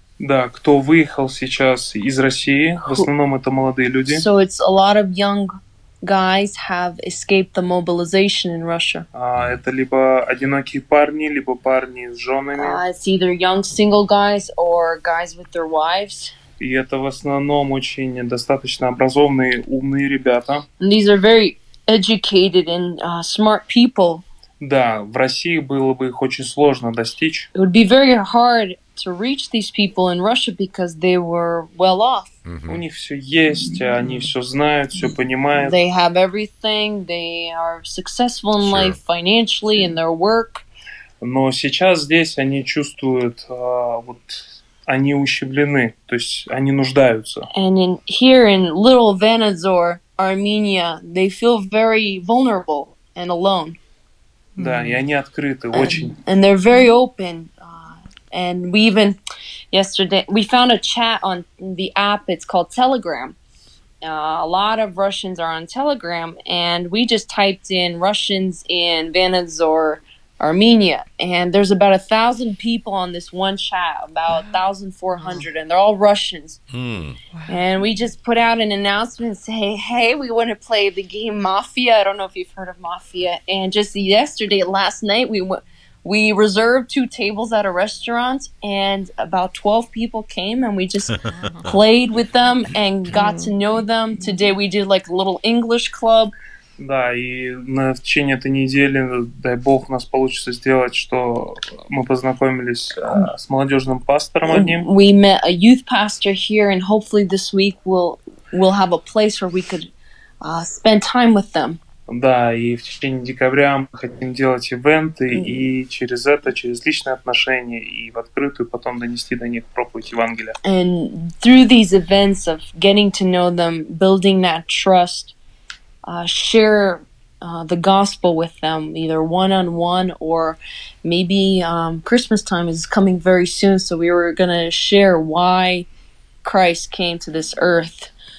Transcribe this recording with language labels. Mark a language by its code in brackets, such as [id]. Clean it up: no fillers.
[ru] Да, кто выехал сейчас из России, в основном это молодые люди. [en] So it's a lot of young guys have escaped the mobilization in Russia. [ru] Это либо одинокие парни, либо парни с женами. [en] It's either young single guys or guys with their wives. [ru] И это в основном очень достаточно образованные, умные ребята. [en] And these are very educated and smart people. [ru] Да, в России было бы их очень сложно достичь. [en] It would be very hard to reach these people in Russia because they were well off. Mm-hmm. [ru] У них все есть, они все знают, все понимают. [en] They have everything, they are successful in sure. life financially, in their work. [ru] Но сейчас здесь они чувствуют, вот, они ущемлены, то есть они нуждаются. [en] And in, here in little Vanadzor, Armenia, they feel very vulnerable and alone. [ru] Да, и они открыты, очень. [en] And they're very open. And we even, yesterday, we found a chat on the app, it's called Telegram. A lot of Russians are on Telegram, and we just typed in Russians in Vanadzor, Armenia. And there's about 1,000 people on this one chat, about 1,400, and they're all Russians. Hmm. And we just put out an announcement saying, hey, we want to play the game Mafia. I don't know if you've heard of Mafia. And just yesterday, last night, we reserved 2 tables at a restaurant, and about 12 people came, and we just played with them and got to know them. Today we did like a little English club. [ru] Да, и на течение этой недели, дай бог, у нас получится сделать, что мы познакомились с молодежным пастором одним. [en] We met a youth pastor here, and hopefully this week we'll have a place where we could spend time with them. [ru] Да, и в течение декабря мы хотим делать ивенты, и через это, через личные отношения, и в открытую потом донести до них проповедь Евангелия. [en] And through these events of getting to know them, building that trust, share the gospel with them, either one-on-one or maybe Christmas time is coming very soon, so we were going to share why Christ came to this earth.